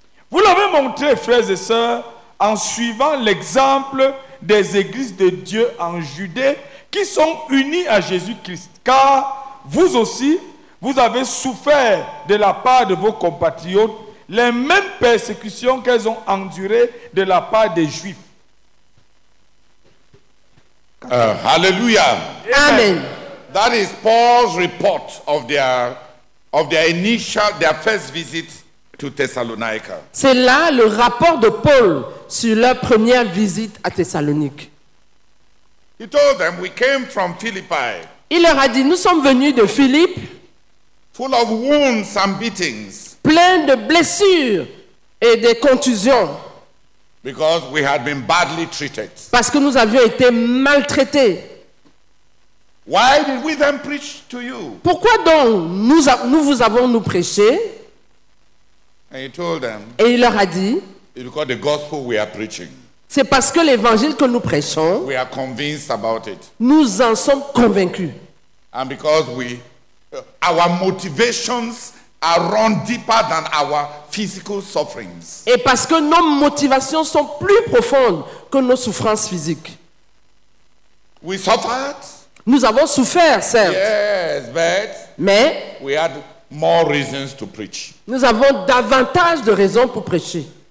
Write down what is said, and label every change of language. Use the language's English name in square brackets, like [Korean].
[French] Vous l'avez montré, frères et sœurs, en suivant l'exemple des églises de Dieu en Judée qui sont unies à Jésus-Christ, car vous aussi, vous avez souffert de la part de vos compatriotes les mêmes persécutions qu'elles ont endurées de la part des Juifs. Hallelujah. Amen. [English] That is Paul's report of their initial, their first visit to Thessalonica. [French] C'est là le rapport de Paul sur leur première visite à Thessalonique. [English] He told them, "We came from Philippi." [French] Il leur a dit, nous sommes venus de Philippe. [English] Full of wounds and beatings. [French] Plein de blessures et de contusions. [English] Because we had been badly treated. [French] Parce que nous avions été maltraités. [English] Why did we then preach to you? [French] Pourquoi donc nous vous avons prêché? [English] And he told them. [French] Et il leur a dit. [English] It's because the gospel we are preaching. [French] C'est parce que l'évangile que nous prêchons. [English] We are convinced about it. [French] Nous en sommes convaincus. [English] And because our motivations are run deeper than our physical sufferings. [French] Et parce que nos motivations sont plus profondes que nos souffrances physiques. [English] We suffered. [French] Nous avons souffert, certes. [English] Yes, but [French] mais [English] we had more reasons to preach. [French] Nous avons davantage de raisons pour prêcher.